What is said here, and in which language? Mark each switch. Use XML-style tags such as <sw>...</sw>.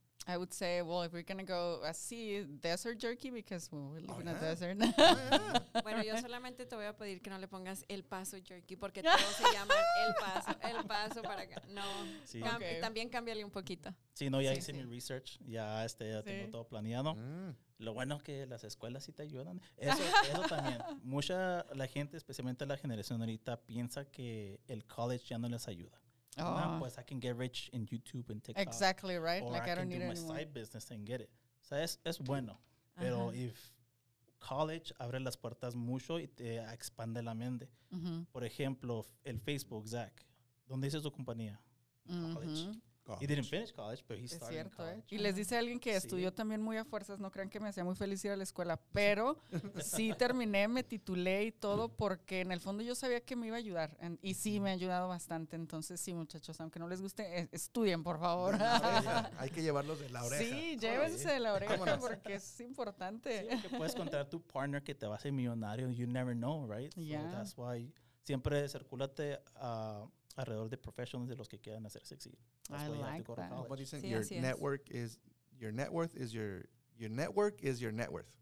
<en>I would say, well, if we're going to go así, desert jerky, because well, we live in a desert.</en> <es>Bueno, yo solamente te voy a pedir que no le pongas El Paso jerky, porque todo se llama El Paso para acá. No, sí. Okay. También cámbiale un poquito. Sí, no, ya hice mi research, ya tengo todo planeado. Mm. Lo bueno es que las escuelas sí te ayudan. Eso también. Mucha la gente, especialmente la generación ahorita, piensa que el college ya no les ayuda.</es> <en>Oh.</en> <es>No, pues</es> <en>I can get rich in YouTube and TikTok. Exactly, right? Or like I don't need anyone. Or I can do my side business and get it.</en> <es>O sea, es bueno. Uh-huh. Pero if college abre las puertas mucho y te expande la mente. Uh-huh. Por ejemplo, el Facebook, Zach. ¿Dónde dice su compañía?</es> <en>College. He didn't finish college, but he started</en> <es>cierto,</es> <en>college.</en> <es>Y les dice alguien que sí. Estudió también muy a fuerzas. No crean que me hacía muy feliz ir a la escuela, pero sí terminé, me titulé y todo porque en el fondo yo sabía que me iba a ayudar. Y sí, me ha ayudado bastante. Entonces, sí, muchachos, aunque no les guste, estudien, por favor. Hay que llevarlos de la oreja. Sí, llévense de la oreja porque es importante. Sí, porque puedes contar a tu partner que te va a ser millonario.</es> <en>You never know, right? Yeah. So that's why</en> <es>siempre circúlate a... alrededor de professionals de los que quieran hacer sexy.</es> <en>That's I why like you have to go that. To college. Sí, your network is your net worth is your network is your net worth.</en>